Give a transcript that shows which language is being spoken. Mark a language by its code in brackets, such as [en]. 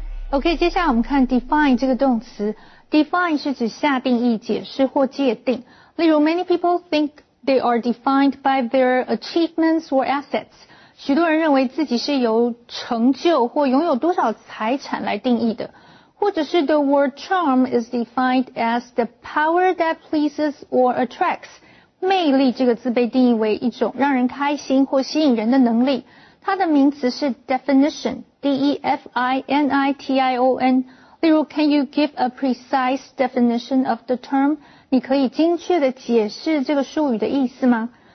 [zh] OK, 接下来我们看 define 这个动词。Define 是指下定义、解释或界定。例如, [en] many people think they are defined by their achievements or assets. [zh] 许多人认为自己是由成就或拥有多少财产来定义的。或者是 [en] the word charm is defined as the power that pleases or attracts. [zh] 魅力这个字被定义为一种让人开心或吸引人的能力。它的名词是 definition, D-E-F-I-N-I-T-I-O-N. 例如, [en] can you give a precise definition of the term? [zh] 你可以精确地解释这个术语的意思吗?